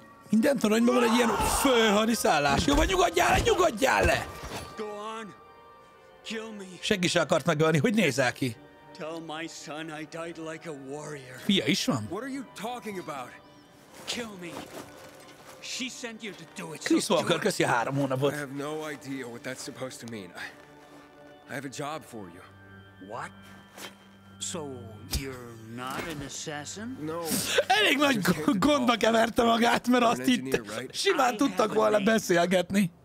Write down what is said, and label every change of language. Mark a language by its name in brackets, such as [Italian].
[Hungarian] Minden toronyban van egy ilyen főhadiszállás. Jó, vagy nyugodjál le, nyugodjál le! Senki se akart megölni, hogy nézel ki. [English] Tell my son I died like a warrior. [Hungarian] Fia is van. [English] What are you talking about? Kill me. She sent you to do it. [Hungarian] Chris Walker, köszi a 3 hónapot. [English] I have no idea what that's supposed to mean. I have a job for you. What? So you're not an assassin? No. [Hungarian] Elég nagy gondba keverte magát, mert azt hitt, simán tudtak volna beszélgetni.